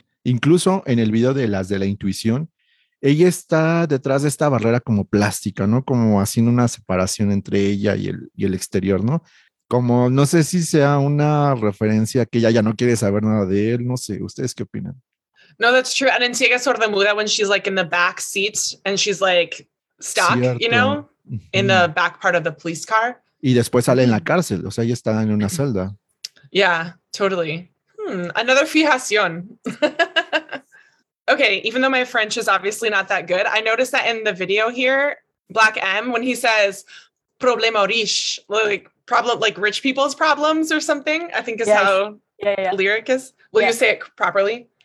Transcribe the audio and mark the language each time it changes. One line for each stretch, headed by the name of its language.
Spanish: Incluso en el video de Las de la Intuición, ella está detrás de esta barrera como plástica, ¿no? Como haciendo una separación entre ella y el exterior, ¿no? Como no sé si sea una referencia que ella ya no quiere saber nada de él, no sé, ¿ustedes qué opinan?
English: No, that's true. And in Ciega Sordomuda, when she's like in the back seat and she's like stuck,
Spanish: cierto.
English: You know, in the back part of the police car.
Spanish: Y después sale en la cárcel, o sea, ella está en una celda.
English: Yeah, totally. Another fijación. Okay, even though my French is obviously not that good, I noticed that in the video here, Black M, when he says problema riche, like problem, like rich people's problems or something, I think is yes. How the lyric is. Will you say it properly?